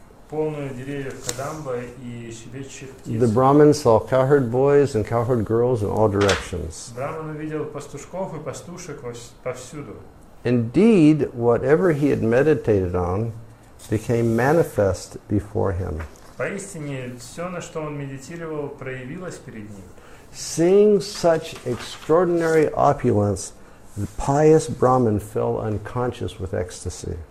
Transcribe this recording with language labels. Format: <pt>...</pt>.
<ru>Полную деревьев кадамба и щебечущих птиц.</ru> <en>The Brahmin saw cowherd boys and cowherd girls in all directions.</en> <ru>Брахман увидел пастушков и пастушек повсюду.</ru> <en>Indeed, whatever he had meditated on became manifest before him.</en> <ru>Поистине, все, на что он медитировал, проявилось перед ним.</ru> <en>Seeing such extraordinary opulence, the pious Brahmin fell unconscious with ecstasy.</en>